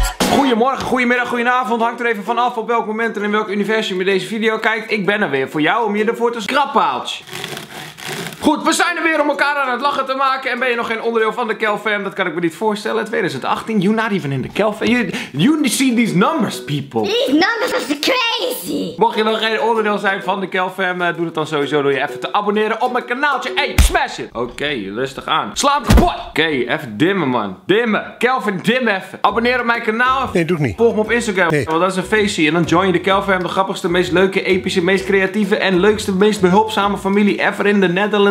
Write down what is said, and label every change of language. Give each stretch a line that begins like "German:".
Dutch: Goedemorgen, goedemiddag, goedenavond. Hangt er even vanaf op welk moment en in welk universum je deze video kijkt. Ik ben er weer voor jou om je ervoor te schrappaaltje. Goed, we zijn er weer om elkaar aan het lachen te maken. En ben je nog geen onderdeel van de Kelvin? Dat kan ik me niet voorstellen.
English: 2018, you're not even in the Kelvin. You see these numbers, people. These numbers are crazy.
Dutch: Mocht je nog geen onderdeel zijn van de Kelvin, doe het dan sowieso door je even te abonneren op mijn kanaaltje.
English: Hey, smash it.
Dutch: Oké, rustig aan. Slaap kapot. Oké, even dimmen, man. Dimmen. Kelvin, dim even. Abonneer op mijn kanaal. Nee, doe ik niet. Volg me op Instagram. Nee. Want dat is een feestje. En dan join je de Kelvin. De grappigste, meest leuke, epische, meest creatieve en leukste, meest behulpzame familie ever in de Netherlands.